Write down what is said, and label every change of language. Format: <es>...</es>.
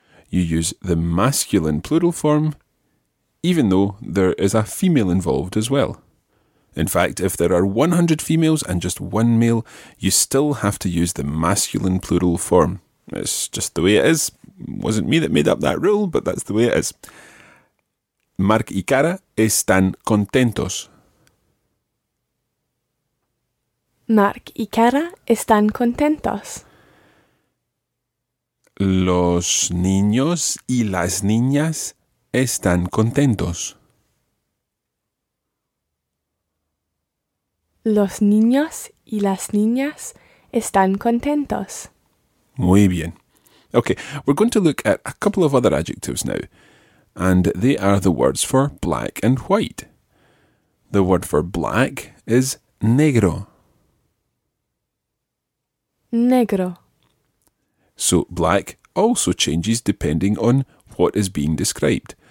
<en>You use the masculine plural form, even though there is a female involved as well. In fact, if there are 100 females and just one male, you still have to use the masculine plural form. It's just the way it is. It wasn't me that made up that rule, but that's the way it is.</en> <es>Mark y Cara están contentos. Mark y Cara están contentos. Los niños y las niñas están contentos. Los niños y las niñas están contentos. Muy bien.</es> <en>Okay, we're going to look at a couple of other adjectives now. And they are the words for black and white. The word for black is negro.</en> <es>Negro.</es> <en>So black also changes depending on what is being described.</en>